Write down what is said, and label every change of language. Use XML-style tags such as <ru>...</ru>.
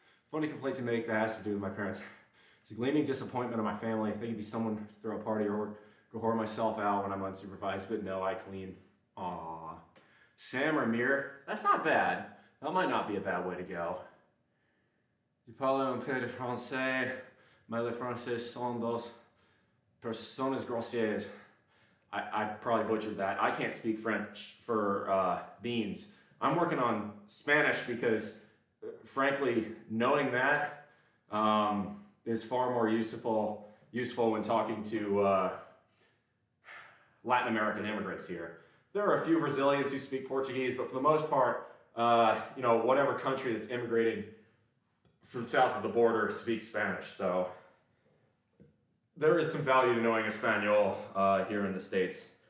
<en>Funny complaint to make that has to do with my parents. It's a gleaming disappointment of my family. I think it'd be someone to throw a party or go whore myself out when I'm unsupervised, but no, I clean. Aww. Sam or Mir? That's not bad. That might not be a bad way to go.</en> <fr>Je parle un peu de français, mais le français sont deux personnes grossières.</fr> <en>I probably butchered that. I can't speak French for beans. I'm working on Spanish because, frankly, knowing that is far more useful when talking to Latin American immigrants here. There are a few Brazilians who speak Portuguese, but for the most part, you know, whatever country that's immigrating from south of the border speaks Spanish, so there is some value to knowing Espanol here in the States.</en>